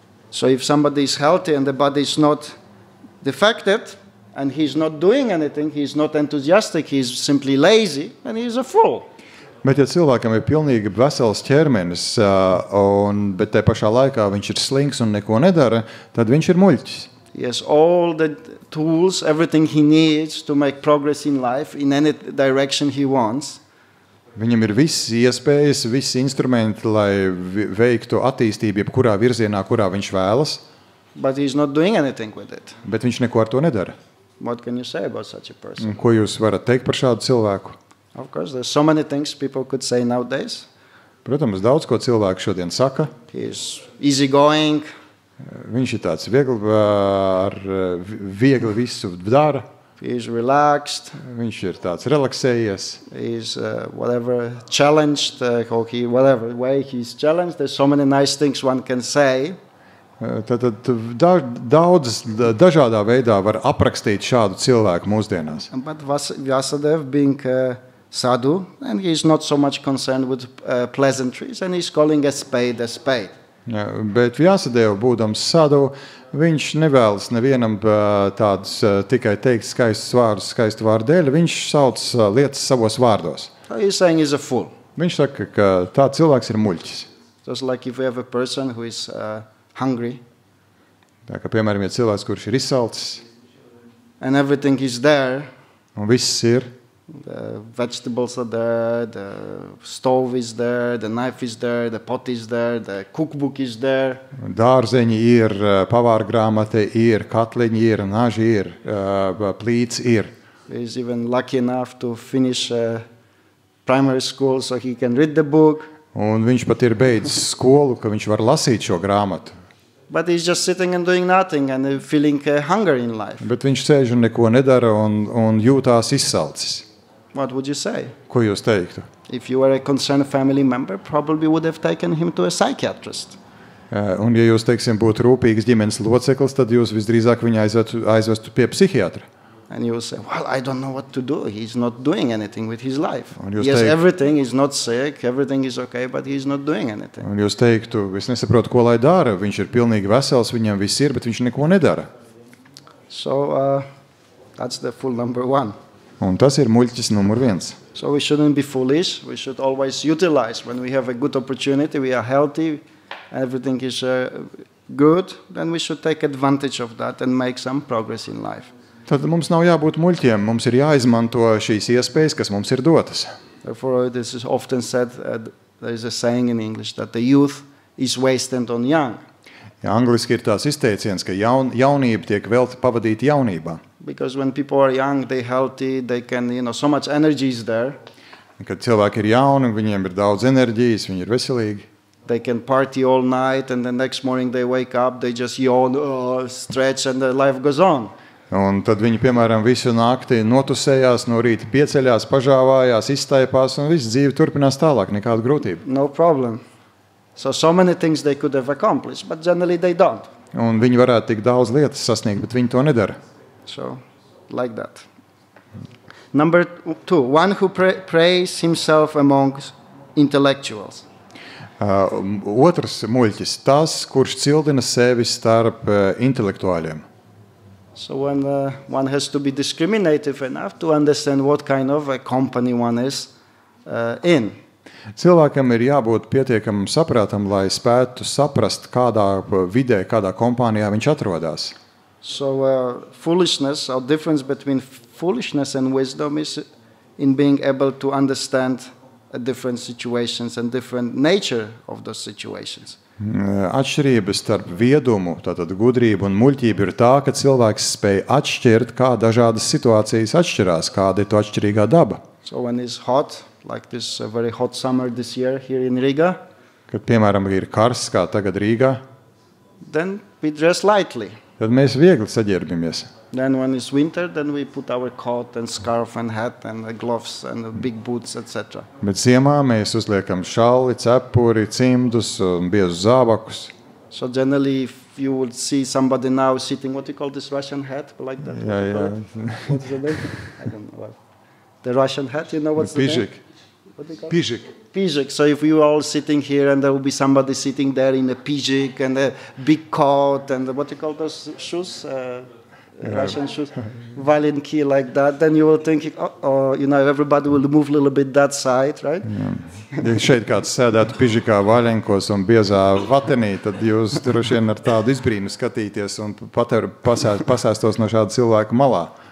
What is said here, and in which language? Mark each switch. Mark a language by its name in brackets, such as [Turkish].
[English] So if somebody is healthy and the body is not defected and he is not doing anything, he is not enthusiastic, he is simply lazy and he is a fool. [Latvian] Bet ja cilvēkam ir pilnīgi vesels ķermenis, un bet tajā pašā laikā viņš ir slinks un neko nedara, tad viņš ir muļķis. [English] Yes, all the tools, everything he needs to make progress in life in any direction he wants. [Latvian] Viņam ir viss iespējas, viss instrumenti, lai veiktu attīstību, jebkurā virzienā, kurā viņš vēlas. [English] But he's not doing anything with it. [Latvian] Bet viņš neko ar to nedara. [English] What can you say about such a person? [Latvian] Ko jūs varat teikt par šādu cilvēku? [English] Of course, there's so many things people could say nowadays. [Latvian] Protams, daudz ko cilvēku šodien saka. [English] He is easygoing. [Latvian] Viņš ir tāds viegli, ar viegli visu dara. [English] He is relaxed. [Latvian] Viņš ir tāds relaksējies. [English] He is whatever challenged, whatever way he is challenged. There's so many nice things one can say. [Latvian] Tad daudz dažādā veidā var aprakstīt šādu cilvēku mūsdienās. [English] But Vyasadev being sadhu, and he is not so much concerned with pleasantries, and he is calling a spade. [Latvian] Bet Vyasadeva, būdams sadhu, viņš nevēlas nevienam tādus tikai teikt skaistus vārdus, skaistu vārdu dēļ, viņš sauc lietas savos vārdos. [English] He's saying he's a fool. [Latvian] Viņš saka, ka tā cilvēks ir muļķis. [English] Just like if we have a person who is hungry. [Latvian] Tā kā, piemēram, ja cilvēks, kurš ir izsalcis. [English] And everything is there. [Latvian] Un viss ir. [English] The vegetables are there, the stove is there, the knife is there, the pot is there, the cookbook is there. [Latvian] Dārzeņi ir, pavārgrāmate ir, katliņi ir, naži ir, plīts ir. [English] He is even lucky enough to finish primary school so he can read the book. [Latvian] Un viņš pat ir beidzis skolu, ka viņš var lasīt šo grāmatu. [English] But he's just sitting and doing nothing and feeling hunger in life. [Latvian] Bet viņš sēž un neko nedara un jūtās izsalcis. [English] What would you say? [Latvian] Ko jūs teiktu? [English] If you were a concerned family member, probably would have taken him to a psychiatrist. [Latvian] Un ja jūs, teiksim, būtu rūpīgs ģimenes loceklis, tad jūs visdrīzāk viņu aizvestu pie psihiatra. [English] And you say, well, I don't know what to do. He's not doing anything with his life. He has everything, he's not sick, everything is okay, but he's not doing anything. [Latvian] Un jūs teiktu, es nesaprotu, ko lai dara. Viņš ir pilnīgi vesels, viņam viss ir, bet viņš neko nedara. [English] So, that's the fool number one. [Latvian] Un tas ir muļķis numur viens. [English] So we shouldn't be foolish. We should always utilize when we have a good opportunity, we are healthy, everything is good, then we should take advantage of that and make some progress in life. [Latvian] Tad mums nav jābūt muļķiem, mums ir jāizmanto šīs iespējas, kas mums ir dotas. [English] Therefore, this is often said, there is a saying in English, that the youth is wasted on young. [Latvian] Ja angliski ir tās izteiciens, ka jaunība tiek velti pavadīta jaunībā. [English] Because when people are young, they healthy, they can, you know, so much energy is there. [Latvian] Kad cilvēki ir jauni, viņiem ir daudz enerģijas, viņi ir veselīgi. [English] They can party all night and the next morning they wake up, they just yawn, stretch and the life goes on. [Latvian] Un tad viņi, piemēram, visu nakti notusējās, no rīta pieceļās, pažāvājās, iztaipās, un viss dzīve turpinās tālāk, nekāda grūtība. [English] No problem. So many things they could have accomplished, but generally they don't. [Latvian] Un viņi varētu tik daudz lietas sasniegt, bet viņi to nedara. [English] So, like that. Number two, one who prays himself among intellectuals. [Latvian] Otrs muļķis, tas, kurš cildina sevi starp intelektuāļiem. [English] So when one has to be discriminative enough to understand what kind of a company one is in. [Latvian] Cilvēkam ir jābūt pietiekam saprātam, lai spētu saprast, kādā vidē, kādā kompānijā viņš atrodas. [English] So foolishness, or difference between foolishness and wisdom is in being able to understand different situations and different nature of those situations. [Latvian] Atšķirība starp viedumu, tātad gudrību un muļķību ir tā, ka cilvēks spēj atšķirt, kā dažādas situācijas atšķirās, kāda ir to atšķirīgā daba. [English] So when it's hot, like this very hot summer this year here in Riga, [Latvian] kad, piemēram, ir karsts, kā tagad Rīgā, [English] then we dress lightly. [Latvian] Tad mēs viegli saģērbjamies. [English] Then when it's winter, then we put our coat and scarf and hat and gloves and big boots, etc. [Latvian] Bet ziemā mēs uzliekam šalli, cepuri, cimdus un biezu zābakus. [English] So generally, if you would see somebody now sitting, what do you call this Russian hat? Like that? Yeah, yeah. What's the name? I don't know. The Russian hat, you know what's [Russian] Pizhik. [English] The name? [Russian] Pizhik. Pizhik. [English] So if you all sitting here and there will be somebody sitting there in a pizhik and a big coat and what do you call those shoes? Russian shoes, valenki like that, then you will think, you know, everybody will move a little bit that side, right? [Latvian] Ja šeit kāds sēdētu pižikā valenkos un biezā vatenī, tad jūs droši vien ar tādu izbrīnu skatīties un pasēstos no šāda cilvēka malā.